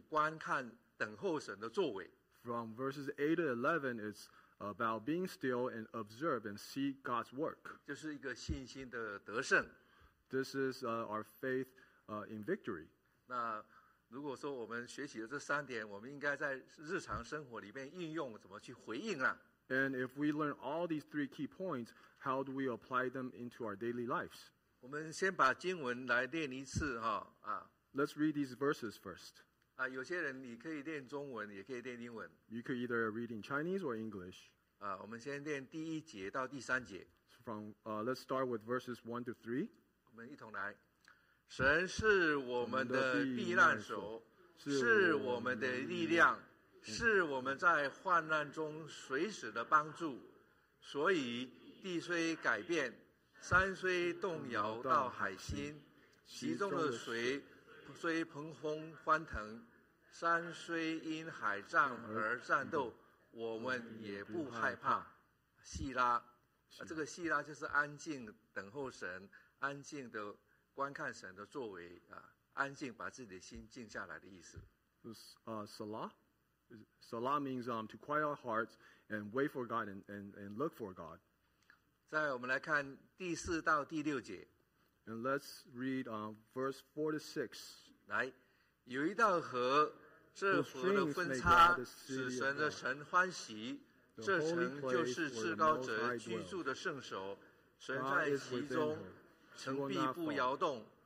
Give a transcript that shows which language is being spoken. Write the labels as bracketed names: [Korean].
[Chinese] 8到11节就是安静观看等候神的作为。 [English] From verses 8 to 11, it's about being still and observe and see God's work. [Chinese] 就是一个信心的得胜。 [English] This is our faith in victory. [Chinese] 那如果说我们学习了这三点, 我们应该在日常生活里面应用怎么去回应啊? [English] And if we learn all these three key points, how do we apply them into our daily lives? [Chinese] 我们先把经文来练一次啊。 [English] Let's read these verses first. [Chinese] 有些人你可以练中文, 也可以练英文。 [English] You could either read in Chinese or English. [Chinese] 我们先练第1节到第3节。 [English] From, let's start with verses 1 to 3. [Chinese] 我们一同来。神是我们的避难所, 是我们的力量, 是我们在患难中随时的帮助, 所以地虽改变, 山虽动摇到海心, 其中的水, 虽蓬风欢腾, 山虽因海战而战斗, 我们也不害怕。希拉, 这个希拉就是安静等候神, 安静地观看神的作为, 安静把自己的心静下来的意思。 [English] Salah? Salah means to quiet our hearts and wait for God and look for God. [Chinese] 再来我们来看第4到第6节。 [English] And let's read verse 4 to 6. [Chinese] 来,有一道河,这河的分叉,使神的神欢喜, 这城就是至高者居住的圣所，神在其中，城必不摇动。